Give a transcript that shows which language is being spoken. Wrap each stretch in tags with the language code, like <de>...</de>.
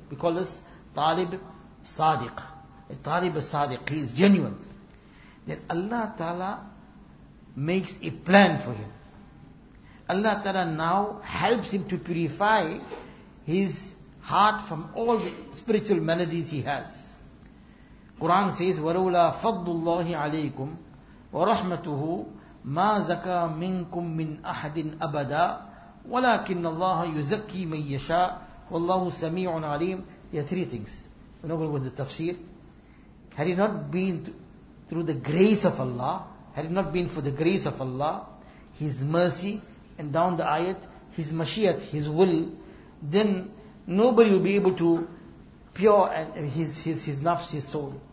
<en>We call this talib sadiq. A talib sadiq, he is genuine. Then Allah ta'ala makes a plan for him. Allah ta'ala now helps him to purify his heart from all the spiritual maladies he has. Quran says,</en> <ar>وَلَوْلَا فَضُّ اللَّهِ عَلَيْكُمْ وَرَحْمَتُهُ مَا زَكَى مِنْكُمْ مِنْ أَحَدٍ أَبَدًا وَلَكِنَّ اللَّهَ يُزَكِّي مَنْ يَشَاءُ وَاللَّهُ سَمِيعٌ عَلِيمٌ.</ar> <en>There are three things. We know with the tafsir. Had he not been through the grace of Allah, had it not been for the grace of Allah, His mercy, and down the ayat, His mashiyat, His will, then nobody will be able to pure and his nafs, his soul.</en>